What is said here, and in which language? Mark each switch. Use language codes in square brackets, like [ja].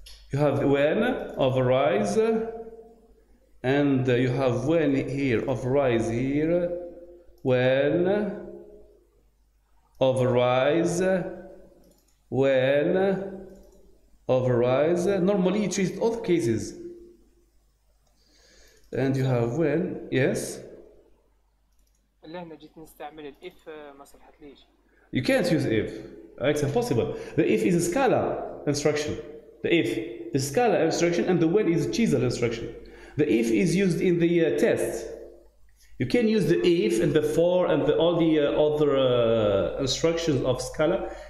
[en] You have when overrides, and you have when here overrides here, when overrides, when overrides. Normally, you treat all the cases, and you have when, yes. [ar] لهنا جيت نستعمل الاف ما صلحت ليش. [en] You can't use if. It's impossible. The if is a scala instruction. The if is a scala instruction and the when is a chisel instruction. The if is used in the test. You can use the if and the for and the, all the other instructions of scala.